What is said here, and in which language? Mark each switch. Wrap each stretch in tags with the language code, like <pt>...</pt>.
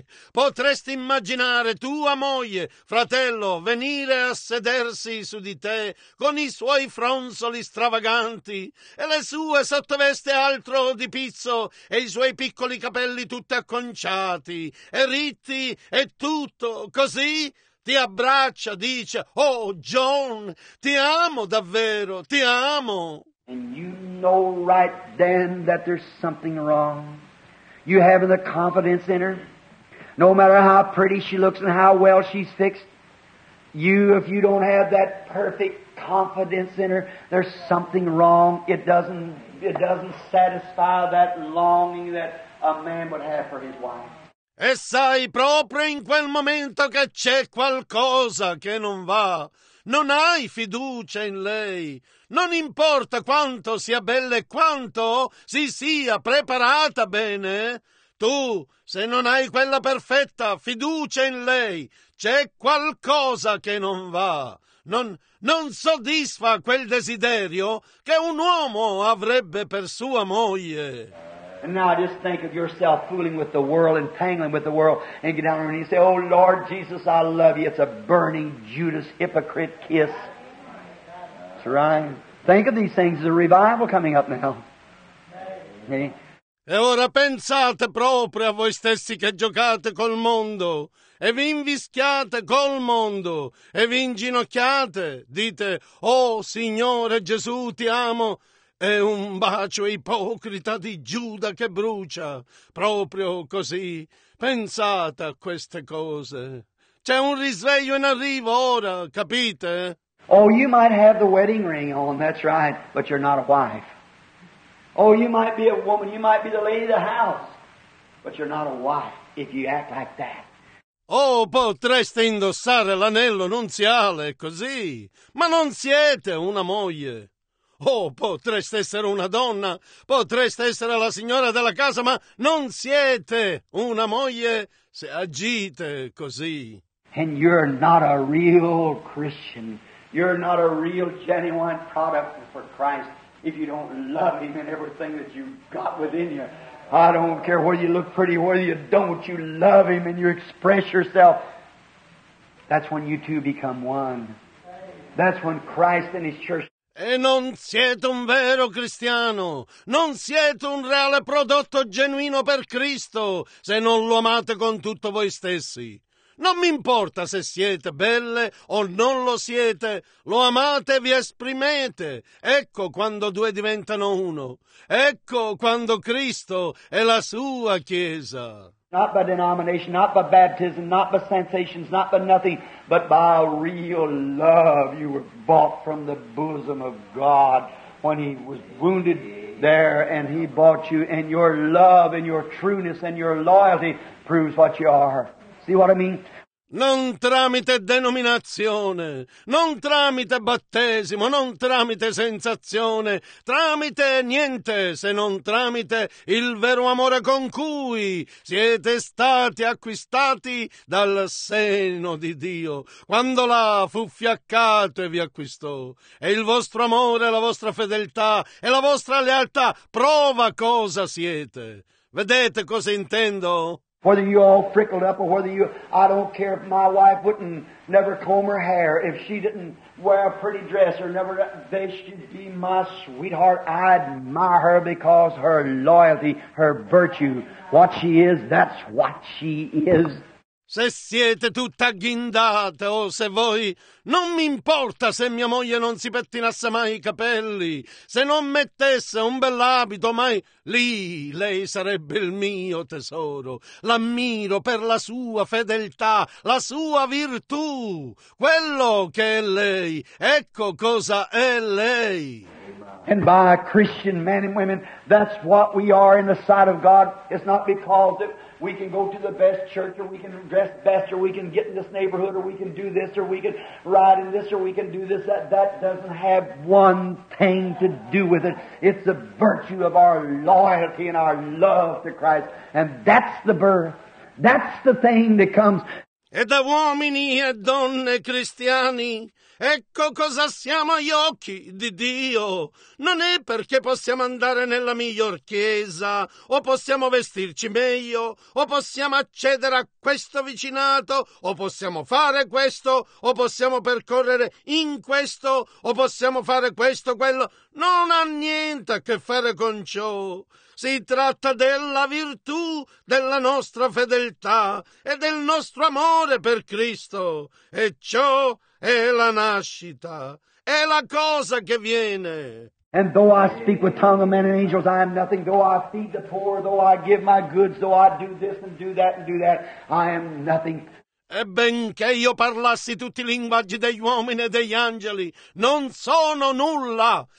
<it>Potresti immaginare tua moglie, fratello, venire a sedersi su di te con i suoi fronzoli stravaganti e le sue sottoveste altro di pizzo e i suoi piccoli capelli tutti acconciati e ritti e tutto così? Ti abbraccia, dice, oh John, ti amo davvero, ti amo.</it> <en>And you know right then that there's something wrong. You having the confidence in her, no matter how pretty she looks and how well she's fixed, you, if you don't have that perfect confidence in her, there's something wrong. It doesn't satisfy that longing that a man would have for his wife.</en> <it>E sai proprio in quel momento che c'è qualcosa che non va. Non hai fiducia in lei. Non importa quanto sia bella e quanto si sia preparata bene. Tu, se non hai quella perfetta fiducia in lei, c'è qualcosa che non va. Non soddisfa quel desiderio che un uomo avrebbe per sua moglie.</it> <en>And now just think of yourself fooling with the world and tangling with the world and get down on your knees and say, oh Lord Jesus, I love you. It's a burning Judas hypocrite kiss. That's right. Think of these things. There's a revival coming up now. Okay.</en> <it>E ora pensate proprio a voi stessi che giocate col mondo e vi invischiate col mondo e vi inginocchiate. Dite, oh Signore Gesù, ti amo. È un bacio ipocrita di Giuda che brucia, proprio così. Pensate a queste cose. C'è un risveglio in arrivo ora, capite?</it> <en>Oh, you might have the wedding ring on, that's right, but you're not a wife. Oh, you might be a woman, you might be the lady of the house, but you're not a wife if you act like that.</en> <it>Oh, potreste indossare l'anello nuziale, così, ma non siete una moglie. Oh, potreste essere una donna, potreste essere la signora della casa, ma non siete una moglie se agite così.</it> <en>And you're not a real Christian. You're not a real genuine product for Christ if you don't love him and everything that you've got within you. I don't care whether you look pretty or whether you don't. You love him and you express yourself. That's when you two become one. That's when Christ and his church.</en> <it>E non siete un vero cristiano, non siete un reale prodotto genuino per Cristo, se non lo amate con tutto voi stessi. Non mi importa se siete belle o non lo siete, lo amate e vi esprimete. Ecco quando due diventano uno. Ecco quando Cristo è la sua Chiesa.</it> <en>Not by denomination, not by baptism, not by sensations, not by nothing, but by a real love you were bought from the bosom of God when He was wounded there and He bought you, and your love and your trueness and your loyalty proves what you are. See what I mean?</en> <it>Non tramite denominazione, non tramite battesimo, non tramite sensazione, tramite niente se non tramite il vero amore con cui siete stati acquistati dal seno di Dio, quando là fu fiaccato e vi acquistò. E il vostro amore, la vostra fedeltà e la vostra lealtà prova cosa siete. Vedete cosa intendo?</it> <en>Whether you all frickled up or whether you, I don't care if my wife wouldn't never comb her hair, if she didn't wear a pretty dress or never, they should be my sweetheart. I admire her because her loyalty, her virtue, what she is, that's what she is.</en> <it>Se siete tutte agghindate o se voi, non mi importa se mia moglie non si pettinasse mai i capelli, se non mettesse un bell'abito mai, lì lei sarebbe il mio tesoro. L'ammiro per la sua fedeltà, la sua virtù, quello che è lei, ecco cosa è lei.</it> <en>And by a Christian men and women, that's what we are in the sight of God. It's not because of... We can go to the best church, or we can dress best, or we can get in this neighborhood, or we can do this, or we can ride in this, or we can do this. That doesn't have one thing to do with it. It's the virtue of our loyalty and our love to Christ. And that's the birth. That's the thing that comes.</en> <it>E da uomini e donne cristiani, ecco cosa siamo agli occhi di Dio. Non è perché possiamo andare nella miglior chiesa, o possiamo vestirci meglio, o possiamo accedere a questo vicinato, o possiamo fare questo, o possiamo percorrere in questo, o possiamo fare questo, quello. Non ha niente a che fare con ciò. Si tratta della virtù, della nostra fedeltà e del nostro amore per Cristo. E ciò è la nascita, è la cosa che viene.</it> <en>And though I speak with tongue of men and angels, I am nothing. Though I feed the poor, though I give my goods, though I do this and do that, I am nothing.</en> <it>E benché io parlassi tutti i linguaggi degli uomini e degli angeli, non sono nulla.</it>